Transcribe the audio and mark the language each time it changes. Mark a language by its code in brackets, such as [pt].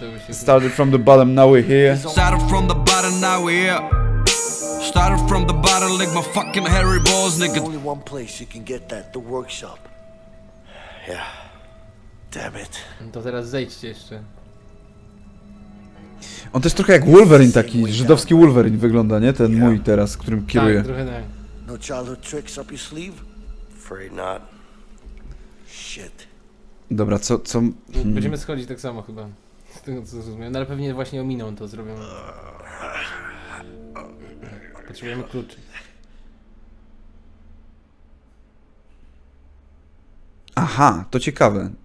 [en] Started from the bottom, now we're here. Started from the bottom, now we're here. Started from the bottom, like my fucking hairy balls, nigga. There's only one place you can get that, the workshop. Yeah. Damn it. [pl] To teraz zejdźcie jeszcze. On też trochę jak Wolverine taki, żydowski Wolverine wygląda, nie? Ten mój teraz, którym kieruję. Tak, trochę tak. [en] No childhood tricks up your sleeve? Afraid not. Shit. [pl] Dobra, co, co... Będziemy schodzić tak samo chyba. Z tego co zrozumiałem. No ale pewnie właśnie ominą to, zrobią. Potrzebujemy kluczy. Aha, to ciekawe.